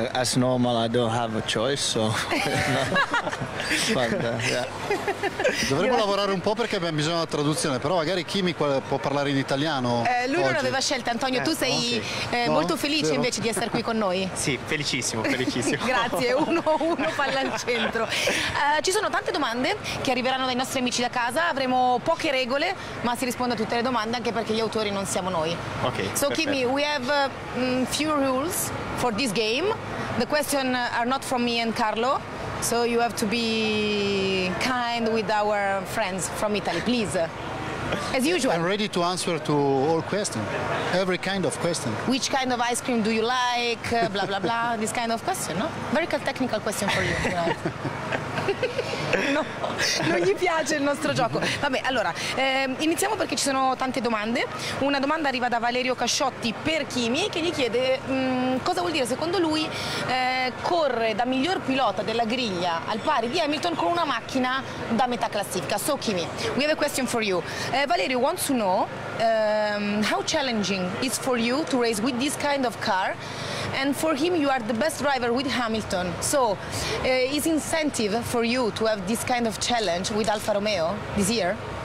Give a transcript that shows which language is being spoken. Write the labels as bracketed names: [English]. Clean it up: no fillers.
[English] As normal, I don't have a choice, so. But, yeah. [Italian] Dovremmo lavorare un po' perché abbiamo bisogno della traduzione, però magari Kimi può parlare in italiano. Lui oggi non aveva scelta, Antonio, tu sei molto felice invece di essere qui con noi. Sì, felicissimo. Grazie, 1-1 palla al centro. Ci sono tante domande che arriveranno dai nostri amici da casa, avremo poche regole, ma si risponde a tutte le domande anche perché gli autori non siamo noi. [English] Ok. So, Kimi, we have few rules for this game. The questions are not from me and Carlo, so you have to be kind with our friends from Italy, please. As usual. I'm ready to answer to all questions, every kind of question. Which kind of ice cream do you like? Blah, blah, blah. This kind of question, no? Very technical question for you. [Italian] No, non gli piace il nostro gioco. Vabbè, allora, iniziamo perché ci sono tante domande. Una domanda arriva da Valerio Casciotti per Kimi, che gli chiede cosa vuol dire secondo lui corre da miglior pilota della griglia al pari di Hamilton con una macchina da metà classifica. [English] So, Kimi, we have a question for you. Valerio wants to know how challenging is for you to race with this kind of car, and for him you are the best driver with Hamilton. So, is incentive for you to have this kind of challenge with Alfa Romeo this year?